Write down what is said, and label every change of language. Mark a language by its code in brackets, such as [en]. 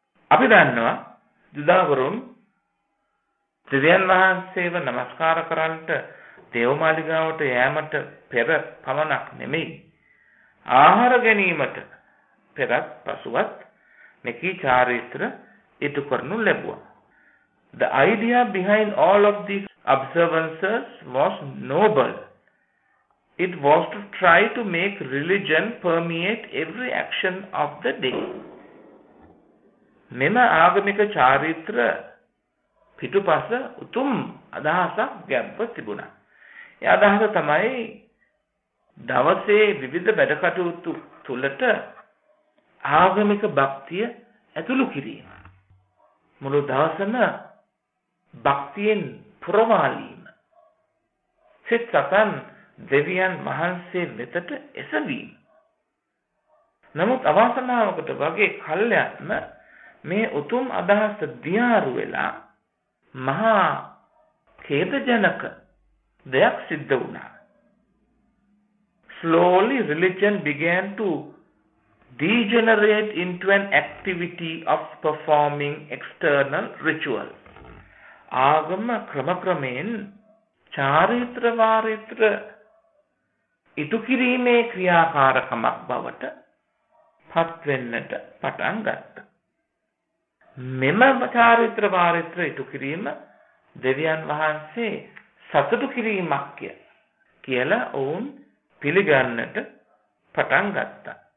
[si] අපි දන්නවා ජුදාවරුන් දෙවියන් වහන්සේව නමස්කාර කරන්නට දේවමාලිගාවට යෑමට පෙර පමණක් නෙමෙයි ආහාර ගැනීමට පෙරත් පසුවත් මෙකී චාරිත්‍ර ඉටු කරනු ලැබුවා. [en] The idea behind all of these observances was noble. It was to try to make religion permeate every action of the day. [si] මෙම ආගමික චාරිත්‍ර පිටුපස උතුම් අදහසක් ගැඹ තිබුණා. ඒ අදහස තමයි දවසේ විවිධ වැඩ කටයුතු තුළට ආගමික භක්තිය ඇතුළු කිරීම. මුළු දවසම භක්තියෙන් පුරවාලීම. සිත සතන් දෙවියන් වහන්සේ වෙතට එසවීම. නමුත් අවාසනාවකට වගේ කල්යත්ම මේ උතුම් අදහස දියාරු වෙලා මහා ඛේදජනක දෙයක් සිද්ධ වුණා. [en] Slowly religion began to degenerate into an activity of performing external ritual. [si] ආගම ක්‍රමක්‍රමයෙන් චාරිත්‍ර වාරිත්‍ර ඉටු කිරීමේ ක්‍රියාකාරකමක් බවට පත් වෙන්නට පටන් ගත්තා. මෙම චාරිත්‍ර වාරිත්‍ර ඉටු කිරීම දෙවියන් වහන්සේ සතුටු කිරීමක්ය කියලා ඔවුන් පිළිගන්නට පටන් ගත්තා.